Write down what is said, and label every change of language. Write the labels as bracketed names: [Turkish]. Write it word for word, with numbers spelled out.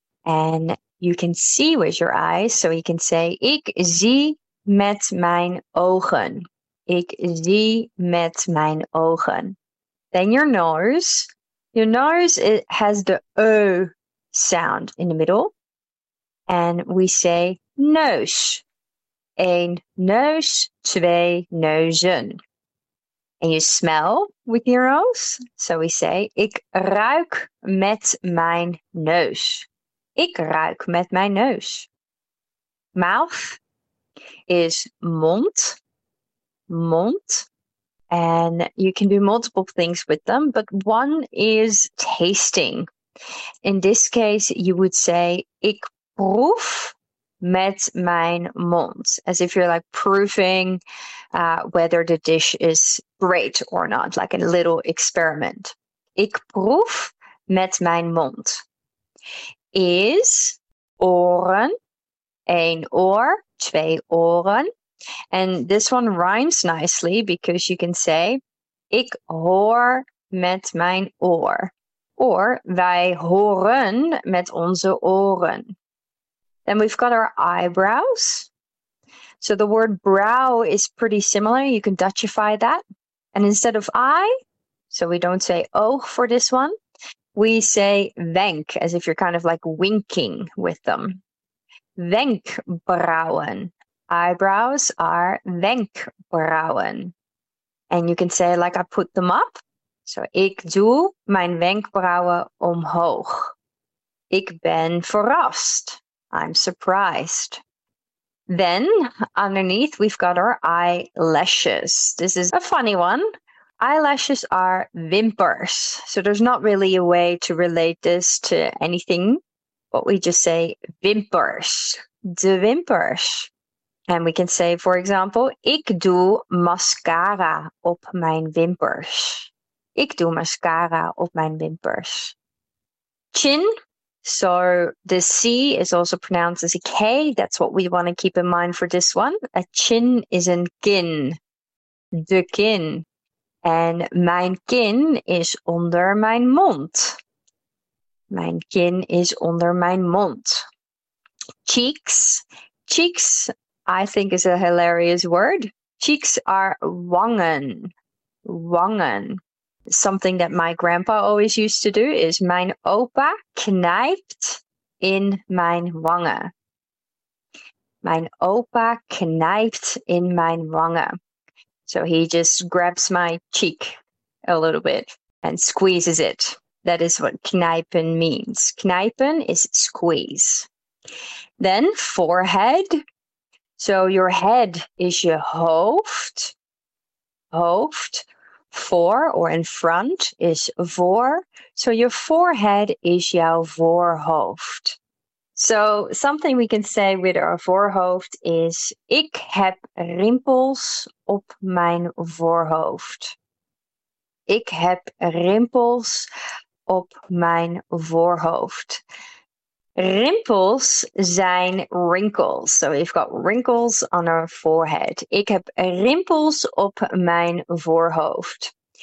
[English] And you can see with your eyes, so you can say, [Dutch] ik zie met mijn ogen. Ik zie met mijn ogen. [English] Then your nose. Your nose, it has the ö sound in the middle, and we say neus. [Dutch] Eén neus, twee neuzen. [English] And you smell with your nose, so we say [Dutch] ik ruik met mijn neus. Ik ruik met mijn neus. [English] Mouth is [Dutch] mond, mond. [English] And you can do multiple things with them, but one is tasting. In this case, you would say, [Dutch] ik proef met mijn mond. [English] As if you're like proving uh, whether the dish is great or not, like a little experiment. [Dutch] Ik proef met mijn mond. Is, oren, één oor, twee oren. [English] And this one rhymes nicely because you can say, [Dutch] ik hoor met mijn oor. Or, wij horen met onze oren. [English] Then we've got our eyebrows. So the word brow is pretty similar. You can Dutchify that. And instead of eye, so we don't say oog for this one, we say wenk, as if you're kind of like winking with them. [Dutch] Wenkbrauwen. [English] Eyebrows are [Dutch] wenkbrauwen. [English] And you can say like I put them up. [Dutch] So ik doe mijn wenkbrauwen omhoog. Ik ben verrast. [English] I'm surprised. Then underneath we've got our eyelashes. This is a funny one. Eyelashes are wimpers. So there's not really a way to relate this to anything, but we just say wimpers. [Dutch] De wimpers. [English] And we can say, for example, [Dutch] ik doe mascara op mijn wimpers. Ik doe mascara op mijn wimpers. [English] Chin. So the C is also pronounced as a K. That's what we want to keep in mind for this one. A chin is [Dutch] een kin. De kin. En mijn kin is onder mijn mond. Mijn kin is onder mijn mond. [English] Cheeks. Cheeks. I think is a hilarious word. Cheeks are [Dutch] wangen. Wangen. [English] Something that my grandpa always used to do is [Dutch] mijn opa knijpt in mijn wangen. Mijn opa knijpt in mijn wangen. [English] So he just grabs my cheek a little bit and squeezes it. That is what knijpen means. Knijpen is squeeze. Then forehead. So your head is [Dutch] je hoofd. [English] Hoofd. Voor or in front is voor. So your forehead is jouw voorhoofd. So something we can say with our voorhoofd is [Dutch] ik heb rimpels op mijn voorhoofd. Ik heb rimpels op mijn voorhoofd. Rimpels zijn wrinkles. [English] So we've got wrinkles on our forehead. [Dutch] Ik heb rimpels op mijn voorhoofd.